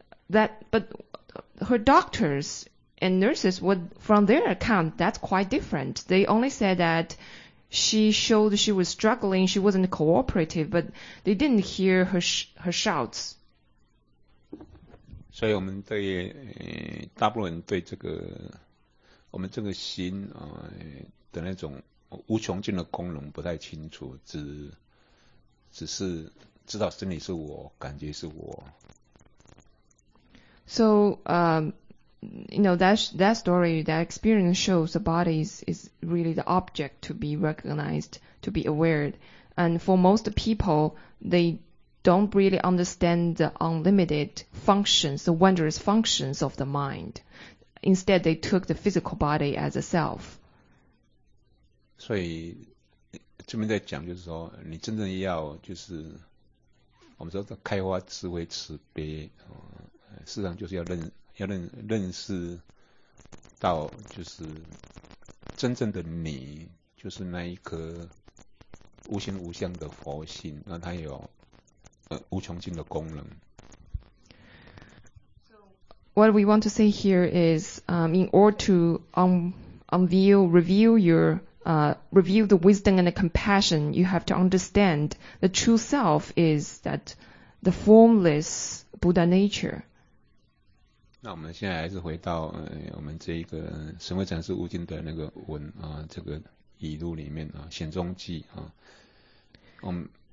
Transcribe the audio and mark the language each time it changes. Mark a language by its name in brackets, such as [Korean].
[English] But her doctors and nurses would, from their account, that's quite different. They only said that she showed she was struggling, she wasn't cooperative, but they didn't hear her shouts. [Chinese] 所以我们对大部分人对这个我们这个心的那种无穷尽的功能不太清楚，只是知道身体是我，感觉是我。 [English] So, you know, that story, that experience shows the body is really the object to be recognized, to be aware. And for most people, they don't really understand the unlimited functions, the wondrous functions of the mind. Instead, they took the physical body as a self. [Chinese] 所以这边在讲就是说，你真正要就是我们说的开花智慧慈悲，事实上就是要认识到就是真正的你，就是那一颗无形无相的佛性，那它有无穷尽的功能。 [English] What we want to say here is, in order to reveal the wisdom and the compassion, you have to understand the true self is that the formless Buddha nature. [Chinese] 那我们现在还是回到我们这一个神慧禅师悟经的那个文这个语录里面显宗记我们